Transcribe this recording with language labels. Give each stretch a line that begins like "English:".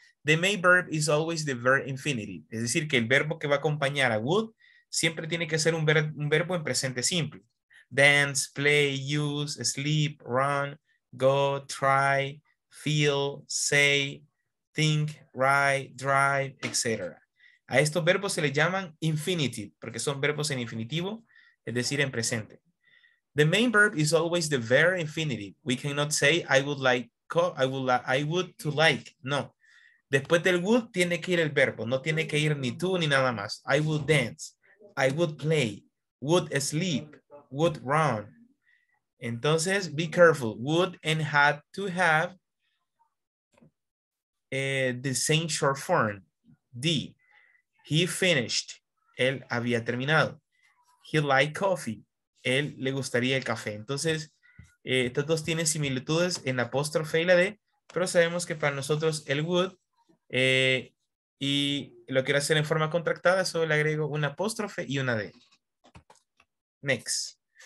English: The main verb is always the verb infinity.
Spanish: Es decir, que el verbo que va a acompañar a would siempre tiene que ser un verbo en presente simple.
English: Dance, play, use, sleep, run. Go, try, feel, say, think, ride, drive, etc.
Spanish: A estos verbos se les llaman infinitive, porque son verbos en infinitivo, es decir, en presente.
English: The main verb is always the verb infinitive. We cannot say, I would like. No.
Spanish: Después del would, tiene que ir el verbo. No tiene que ir ni tú ni nada más.
English: I would dance. I would play. Would sleep. Would run. Entonces, be careful, would and had to have the same short form, D. He finished,
Spanish: él había terminado.
English: He liked coffee,
Spanish: él le gustaría el café. Entonces, estos dos tienen similitudes en la apóstrofe y la D, pero sabemos que para nosotros el would, y lo quiero hacer en forma contractada, solo le agrego una apóstrofe y una D. Next.